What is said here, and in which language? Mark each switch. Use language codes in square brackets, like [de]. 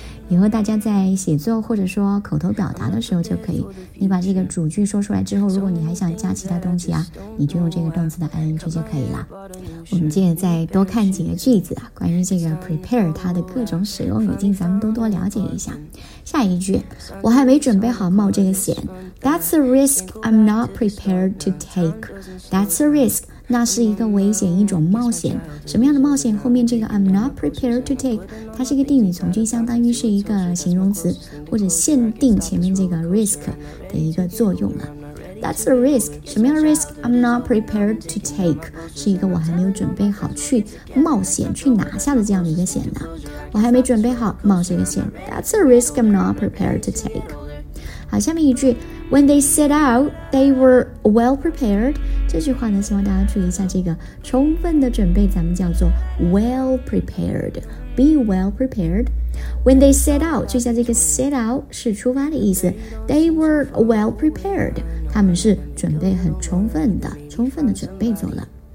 [zh] 以后大家在写作或者说口头表达的时候就可以，你把这个主句说出来之后，如果你还想加其他东西啊，你就用这个动词的 ing 就可以了。我们接着再多看几个句子啊，关于这个 prepare 它的各种使用语境，咱们都多了解一下。下一句，我还没准备好冒这个险。 [en] That's a risk I'm not prepared to take. That's a risk. [zh] 那是一个危险，一种冒险。什么样的冒险？后面这个 I'm not prepared to take，它是一个定语从句，相当于是一个形容词，或者限定前面这个 risk 的一个作用啊。 That's a risk，什么样的 risk I'm not prepared to take，是一个我还没有准备好去冒险去拿下的这样的一个险呢、啊？我还没准备好冒这个险。 [en] That's a risk I'm not prepared to take。 [zh] 好，下面一句 When they set out, they were well prepared 这句话呢，希望大家注意一下这个充分的准备，咱们叫做 well prepared Be well prepared When they set out, 注意一下这个 set out 是出发的意思 They were well prepared 他们是准备很充分的充分的准备走了